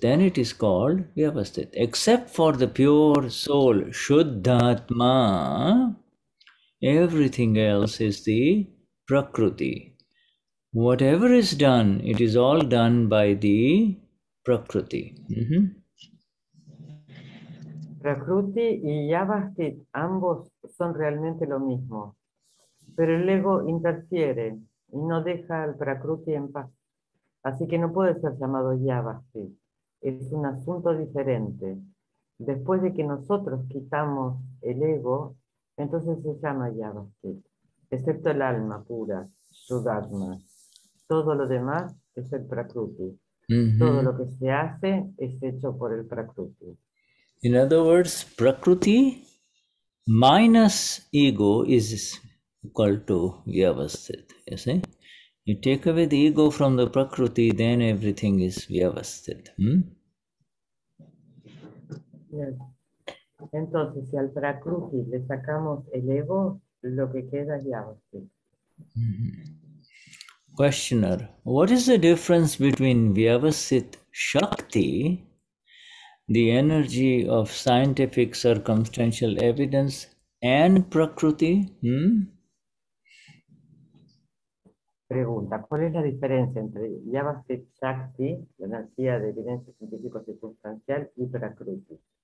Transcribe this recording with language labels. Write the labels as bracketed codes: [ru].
[en] Then it is called Vyavasthit. Except for the pure soul, Shuddhatma, everything else is the prakruti. Whatever is done, it is all done by the prakruti. [es] Prakruti y Vyavasthit, ambos son realmente lo mismo. Pero el ego interfiere y no deja al prakruti en paz. Así que no puede ser llamado Vyavasthit. Es un asunto diferente. Después de que nosotros quitamos el ego, entonces se llama Vyavasthit. Excepto el alma pura, Sudatma. Todo lo demás es el prakruti. Mm-hmm. Todo lo que se hace es hecho por el prakruti. [en] In other words, prakruti minus ego is equal to vyavasthit. You see? You take away the ego from the prakruti, then everything is vyavasthit. Yes. [es] Entonces, si al prakruti le sacamos el ego, lo que queda es vyavasthit. [en] Questioner, what is the difference between vyavasthit shakti, the energy of scientific circumstantial evidence, and prakruti? [es] Pregunta, ¿cuál es la diferencia entre vyavasthit shakti, la energía de evidencia científico circunstancial, y prakruti?